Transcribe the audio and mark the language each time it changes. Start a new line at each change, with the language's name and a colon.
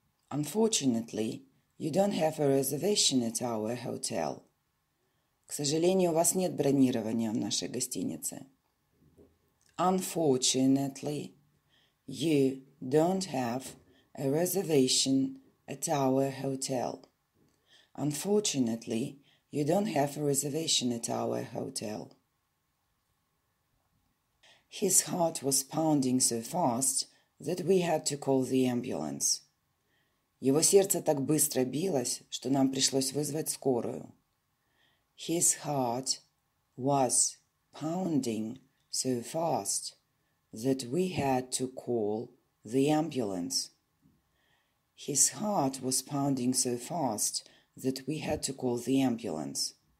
English: Unfortunately, you don't have a reservation at our hotel.
Russian: К сожалению, у вас нет бронирования в нашей гостинице.
English: Unfortunately, you don't have a reservation at our hotel. Unfortunately, you don't have a reservation at our hotel. His heart was pounding so fast that we had to call the ambulance.
Russian: Его сердце так быстро билось, что нам пришлось вызвать скорую.
English: His heart was pounding so fast that we had to call the ambulance. His heart was pounding so fast that we had to call the ambulance.